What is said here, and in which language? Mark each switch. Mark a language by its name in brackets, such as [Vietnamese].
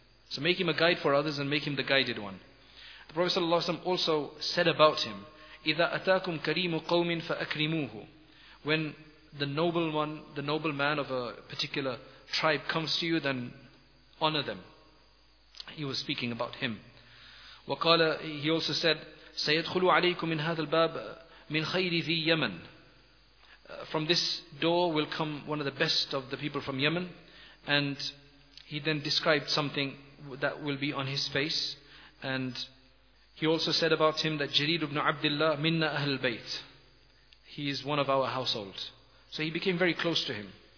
[English] So make him a guide for others and make him the guided one. The Prophet ﷺ also said about him, [Arabic] إِذَا أَتَاكُمْ كَرِيمُ قَوْمٍ فَأَكْرِمُوهُ. [English] When the noble one, the noble man of a particular tribe comes to you, then honor them. He was speaking about him. [Arabic] وقال, [English] he also said, [Arabic] سَيَدْخُلُ عَلَيْكُمْ مِنْ هَذَا الْبَابِ مِنْ خَيْرِ ذِي يَمَنْ. [English] From this door will come one of the best of the people from Yemen. And he then described something that will be on his face. And he also said about him that [Arabic] جَرِيرُ بْنُ عَبْدِ اللَّهِ مِنَّا أَهْلِ الْبَيْتِ. [English] He is one of our household. So he became very close to him.